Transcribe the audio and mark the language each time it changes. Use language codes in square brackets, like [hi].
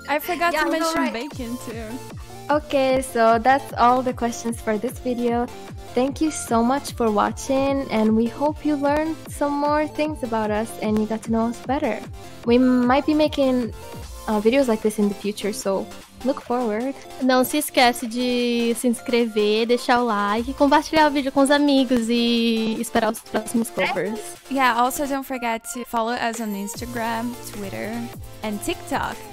[en] I forgot to mention bacon too. Okay, so that's all the questions for this video. Thank you so much for watching, and we hope you learned some more things about us and you got to know us better. We might be making videos like this in the future, so look forward. [pt] Não se esquece de se inscrever, deixar o like, compartilhar o vídeo com os amigos e esperar os próximos covers. [en] Yeah, also don't forget to follow us on Instagram, Twitter, and TikTok.